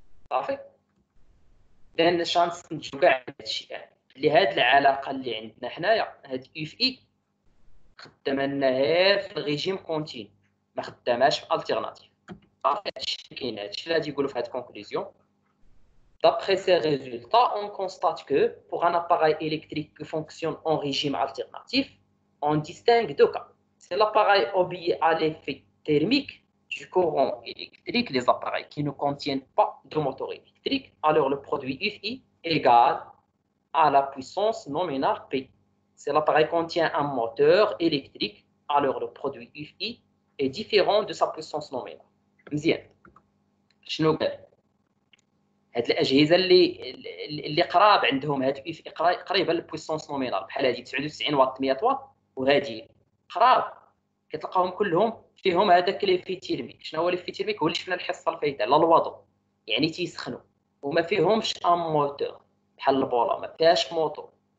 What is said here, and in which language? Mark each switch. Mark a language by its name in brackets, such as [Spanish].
[Arabic] صافي لان شانس نتجو كاع هادشي اللي هاد العلاقة اللي عندنا حنايا هاد اف اي خدامة لنا غير في الريجيم كونتين ما خداماش في الالتيرناتيف صافي هادشي كاين هادشي اللي غادي يقولو في هاد كونكلوزيون [French] D'après ces résultats, on constate que pour un appareil électrique qui fonctionne en régime alternatif, on distingue deux cas. C'est l'appareil obéit à l'effet thermique du courant électrique, les appareils qui ne contiennent pas de moteur électrique, alors le produit Fi est égal à la puissance nominale P. Si l'appareil contient un moteur électrique, alors le produit Fi est différent de sa puissance nominale. Mzien. Schnogel. [Arabic] هاد الاجهزه اللي قراب عندهم هاد اف قريبه للبويسونس نومينال بحال هادي 99 واط 100 واط وهادي قراب كتلقاهم كلهم فيهم هذاك لي في تيرميك شنو هو لي في تيرميك هو اللي شفنا الحصه الفايته على الوضو يعني تيسخنوا وما فيهمش ام موتور بحال البوله ما فيهاش موتور